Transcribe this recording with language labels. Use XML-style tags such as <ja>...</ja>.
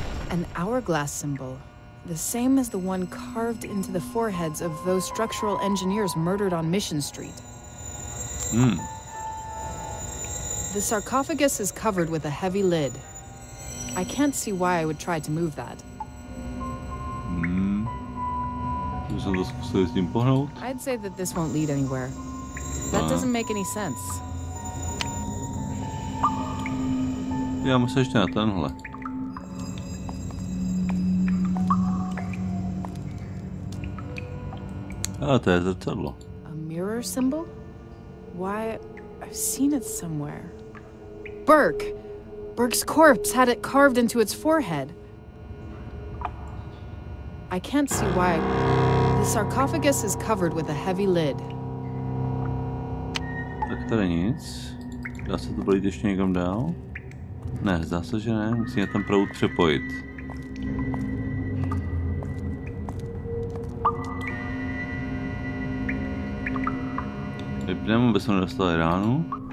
<en>An hourglass symbol, the same as the one carved into the foreheads of those structural engineers murdered on Mission Street. The sarcophagus is covered with a heavy lid. I can't see why I would try to move that.</en> <cs>Musím to zkusit s tím pohnout.</cs> <en>I'd say that this won't lead anywhere. That doesn't make any sense.</en> <cs>Já musím ještě na tenhle. A to je zrcadlo.</cs> <en>A mirror symbol? Why, I've seen it somewhere. Burke! Burke's corpse had it carved into its forehead. I can't see why. The sarcophagus is covered with a heavy lid.</en> <cs>Tak tady nic. Dá se to projít ještě někam dál? Ne, zdá se, že ne. Musíme tam proud přepojit. Vypneme, aby jsme nedostali ránu.</cs>